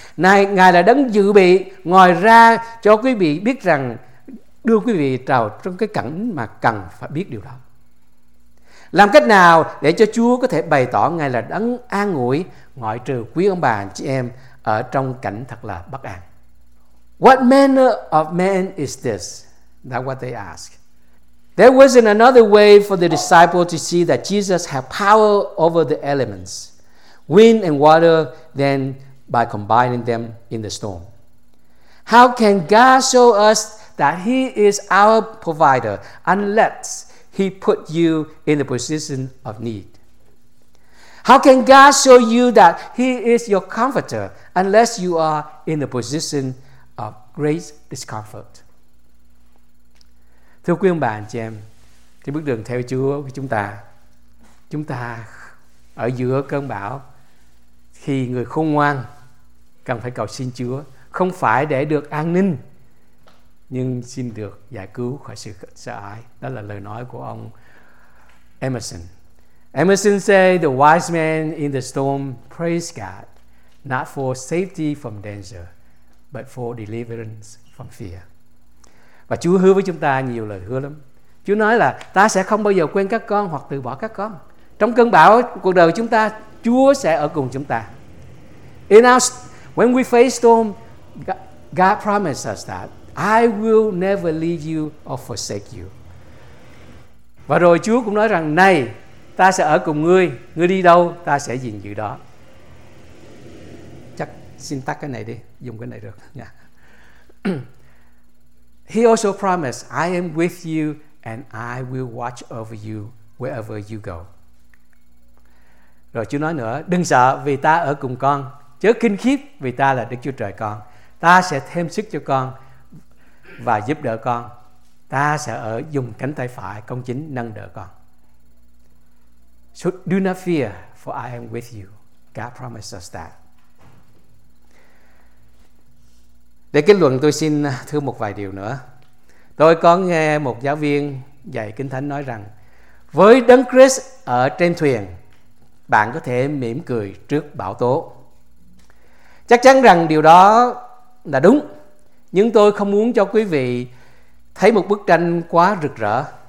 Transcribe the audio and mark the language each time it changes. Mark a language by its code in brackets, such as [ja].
[vi] Này, Ngài là đấng dự bị, ngoài ra cho quý vị biết rằng, đưa quý vị vào trong cái cảnh mà cần phải biết điều đó. Làm cách nào để cho Chúa có thể bày tỏ Ngài là đấng an ủi, ngoại trừ quý ông bà chị em ở trong cảnh thật là bất an? [en] What manner of man is this? That's what they ask. There wasn't another way for the disciples to see that Jesus had power over the elements, wind and water, than by combining them in the storm. How can God show us that He is our provider unless He put you in the position of need? How can God show you that He is your comforter unless you are in the position of great discomfort? [vi] Thưa quý ông bà, anh chị em, trên bước đường theo Chúa của chúng ta ở giữa cơn bão, thì người khôn ngoan cần phải cầu xin Chúa, không phải để được an ninh, nhưng xin được giải cứu khỏi sự sợ hãi. Đó là lời nói của ông Emerson. [en] Emerson say, the wise man in the storm praise God, not for safety from danger, but for deliverance from fear. [vi] Và Chúa hứa với chúng ta nhiều lời hứa lắm. Chúa nói là ta sẽ không bao giờ quên các con hoặc từ bỏ các con. Trong cơn bão cuộc đời chúng ta, Chúa sẽ ở cùng chúng ta. [en] In our, when we face storm, God promised us that I will never leave you or forsake you. [vi] Và rồi Chúa cũng nói rằng, này, ta sẽ ở cùng ngươi, ngươi đi đâu ta sẽ gìn giữ đó. Chắc xin tắt cái này đi, dùng cái này được nha. [en] He also promised, I am with you and I will watch over you wherever you go. [vi] Rồi Chúa nói nữa, đừng sợ vì ta ở cùng con, chớ kinh khiếp vì ta là Đức Chúa Trời con. Ta sẽ thêm sức cho con và giúp đỡ con. Ta sẽ ở dùng cánh tay phải công chính nâng đỡ con. [en] So do not fear, for I am with you. God promised us that. [vi] Để kết luận, tôi xin thưa một vài điều nữa. Tôi có nghe một giáo viên dạy Kinh Thánh nói rằng, với Đấng Christ ở trên thuyền, bạn có thể mỉm cười trước bão tố. Chắc chắn rằng điều đó là đúng, nhưng tôi không muốn cho quý vị thấy một bức tranh quá rực rỡ.